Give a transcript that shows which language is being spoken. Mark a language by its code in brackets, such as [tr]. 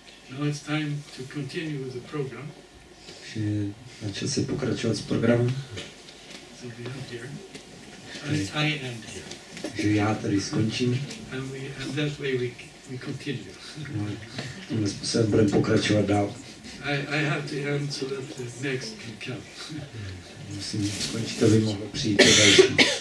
[en] Now it's time to continue with the program. [cs] Je na čase pokračovat s programem. [en] So we end here. I end here. [cs] Že já tady skončím. [en] And that way we continue. [cs] Tímhle způsobem budeme pokračovat dál. [en] I have to end so that the next can come. [cs] Musím skončit, aby mohlo přijít to další.